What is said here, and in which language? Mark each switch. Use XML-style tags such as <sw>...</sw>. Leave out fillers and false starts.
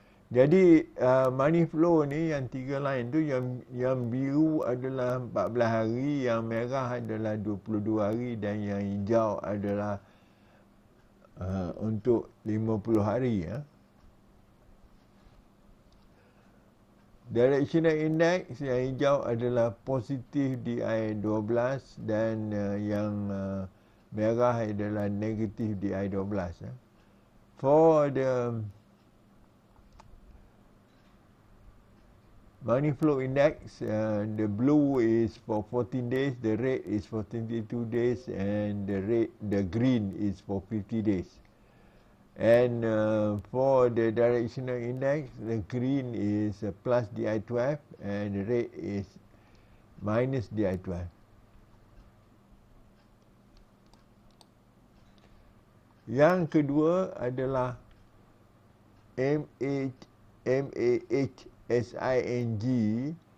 <ms>Jadi money flow ni yang tiga line tu, yang biru adalah 14 hari, yang merah adalah 22 hari, dan yang hijau adalah untuk 50 hari, ya. Eh? Directional index yang hijau adalah positif di I12 dan yang merah adalah negatif di I12.</ms> <en>For the money flow index, the blue is for 14 days, the red is for 22 days, and the green is for 50 days. And for the directional index, the green is plus DI12 and the red is minus DI12.</en> <ms>Yang kedua adalah MAHSING 8583.</ms>